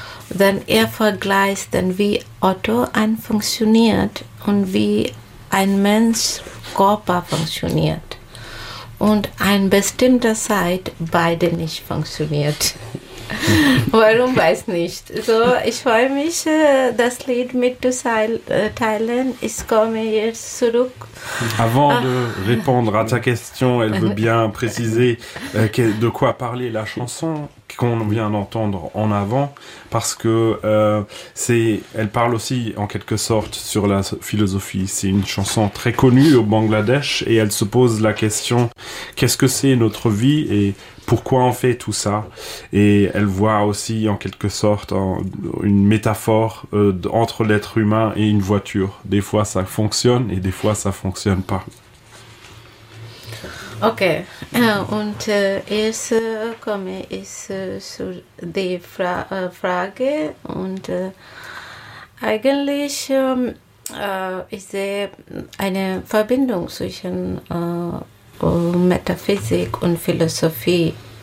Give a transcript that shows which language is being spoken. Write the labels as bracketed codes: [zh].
[de] Dann er vergleicht dann, wie Auto ein funktioniert und wie ein Mensch Körper funktioniert. Und ein bestimmter Zeit beide nicht funktioniert. Warum weiß nicht. So, ich freue mich, das Lied mitzuteilen. Ich komme jetzt zurück. [fr] Avant de répondre à ta question, elle veut bien préciser de quoi parler la chanson qu'on vient d'entendre en avant, parce que elle parle aussi en quelque sorte sur la philosophie. C'est une chanson très connue au Bangladesh et elle se pose la question, qu'est-ce que c'est notre vie et pourquoi on fait tout ça? Et elle voit aussi en quelque sorte une métaphore entre l'être humain et une voiture. Des fois ça fonctionne et des fois ça fonctionne pas. [de] Ok, und jetzt komme ich zu der Frage und eigentlich ich sehe eine Verbindung zwischen Metaphysik und Philosophie.